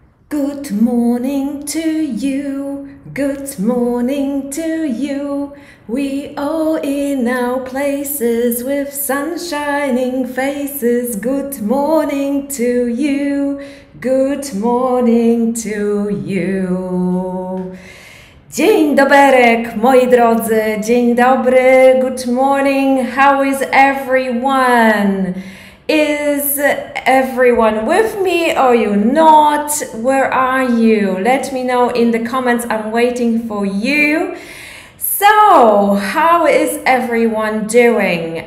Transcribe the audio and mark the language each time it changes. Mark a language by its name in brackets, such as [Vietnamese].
[English] Good morning to you, good morning to you. We all in our places with sunshining faces. Good morning to you, good morning to you. [Polish] Dzień doberek, moi drodzy. Dzień dobry, [English] good morning. How is everyone? Is everyone with me? Or are you not? Where are you? Let me know in the comments. I'm waiting for you. So, how is everyone doing?